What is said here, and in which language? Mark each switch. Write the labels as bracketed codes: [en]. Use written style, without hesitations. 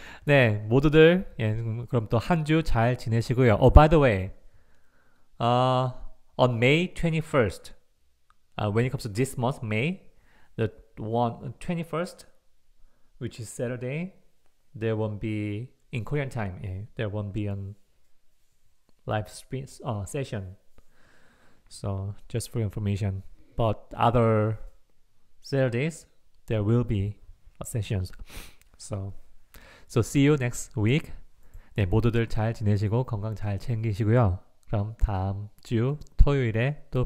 [ko] 네, 모두들, 그럼 또 한 주 잘 지내시고요. [en] Oh, by the way, on May 21st, when it comes to this month, May, the 21st, which is Saturday, there won't be in Korean time. Yeah, there won't be on live stream session. So just for information, but other Saturdays there will be sessions. So see you next week. [ko] 네, 모두들 잘 지내시고 건강 잘 챙기시고요. 그럼 다음 주 토요일에 또 봬요. 네, 그럼 네 모두들 네